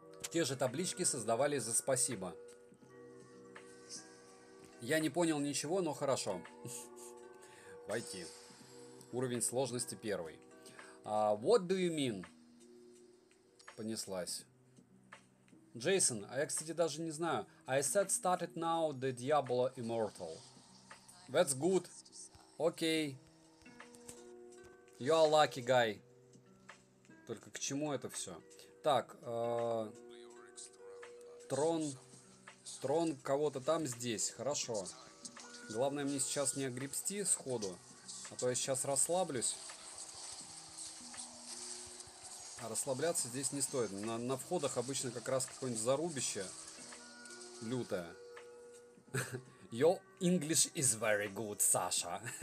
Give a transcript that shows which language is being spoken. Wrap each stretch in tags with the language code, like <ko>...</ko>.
<ru>Те же таблички создавали за спасибо. Я не понял ничего, но хорошо. Войти. Уровень сложности первый.</ru> <en>What do you mean?</en> <ru>Понеслась. Джейсон, а я, кстати, даже не знаю.</ru> <en>I said started now the Diablo Immortal. That's good. Окей. You are lucky guy.</en> <ru>Только к чему это все? Так. Трон. Трон кого-то там здесь. Хорошо. Главное мне сейчас не огребсти сходу. А то я сейчас расслаблюсь. А расслабляться здесь не стоит. На входах обычно как раз какое-нибудь зарубище. Лютое.</ru> <en>Your English is very good, Саша.</en>